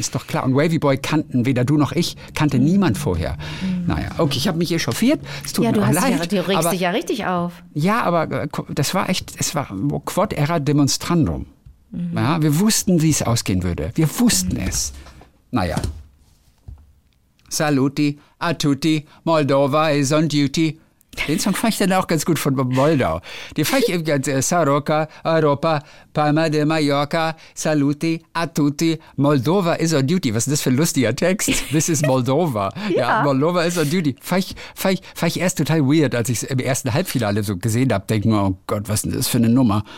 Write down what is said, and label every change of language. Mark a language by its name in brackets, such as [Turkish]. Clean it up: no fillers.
[German] Ist doch klar. Und Wavy Boy kannten weder du noch ich, kannte niemand vorher. Naja, okay, ich habe mich echauffiert. Es tut mir leid. Ja, du regst dich ja richtig auf. Ja, aber das war echt, es war quod erat demonstrandum. Ja, wir wussten, wie es ausgehen würde. Wir wussten es. Naja. [Italian] Saluti, a tutti, [English] Moldova is on duty. [German] Den Song fand ich dann auch ganz gut von Moldau. Den fand ich ganz Saroka, Europa, Palma de Mallorca, Saluti, Atuti, [English] Moldova is on duty. [German] Was ist das für ein lustiger Text? [English] This is Moldova. [German] Ja, ja. [English] Moldova is on duty. [German] Fand ich erst total weird, als ich es im ersten Halbfinale so gesehen habe, denken, oh Gott, was ist das für eine Nummer?